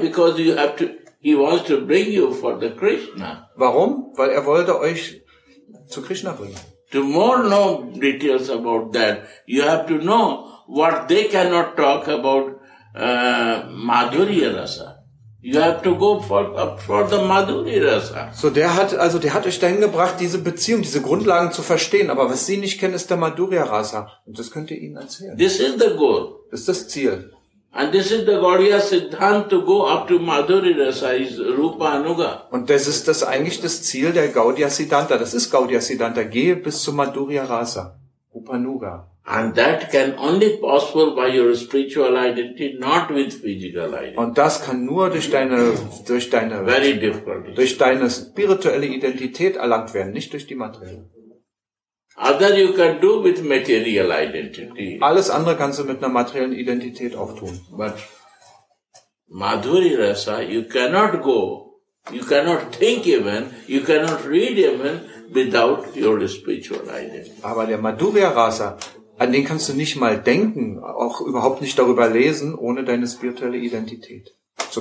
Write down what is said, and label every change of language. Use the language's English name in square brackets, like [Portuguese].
[English] Because you have to, he wants to bring you for the Krishna. [German] Warum? Weil er wollte euch zu Krishna bringen. [English] To more know details about that, you have to know what they cannot talk about, Madhurya Rasa. You have to go for the Madhurya Rasa. [German] So, der hat euch dahin gebracht, diese Beziehung, diese Grundlagen zu verstehen. Aber was Sie nicht kennen, ist der Madhurya Rasa. Und das könnt ihr ihnen erzählen. [English] This is the goal. [German] Das ist das Ziel. [English] And this is the Gaudiya Siddhanta to go up to Madhurya Rasa is Rupa Anuga. [German] Und das ist das eigentlich das Ziel der Gaudiya Siddhanta. Das ist Gaudiya Siddhanta. Gehe bis zu Madhurya Rasa. Rupa Anuga. [English] And that can only possible by your spiritual identity, not with physical identity. [German] Und das kann nur durch deine [English] very difficult. [German] Durch deine spirituelle Identität erlangt werden, nicht durch die materielle. [English] Other you can do with material identity. [German] Alles andere kannst du mit einer materiellen Identität auch tun. [English] But Madhuri Rasa, you cannot go, you cannot think even, you cannot read even without your spiritual identity. [German] Aber der Madhuriya Rasa, an den kannst du nicht mal denken, auch überhaupt nicht darüber lesen, ohne deine spirituelle Identität zu